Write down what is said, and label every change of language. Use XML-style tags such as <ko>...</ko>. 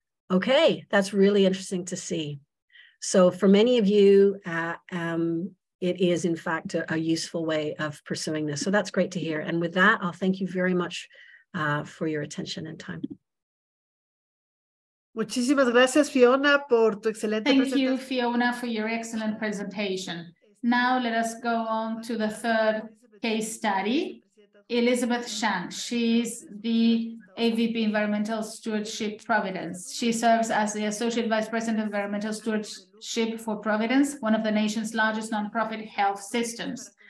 <en>Okay, that's really interesting to see. So for many of you, it is in fact a useful way of pursuing this. So that's great to hear. And with that, I'll thank you very much for your attention and time.</en> <es>Muchísimas gracias, Fiona, por tu excelente presentación.</es> <en>Thank you, Fiona, for your excellent presentation. Now let us go on to the third case study. Elizabeth Schenk, she's the AVP Environmental Stewardship Providence. She serves as the Associate Vice President of Environmental Stewardship for Providence, one of the nation's largest nonprofit health systems.</en>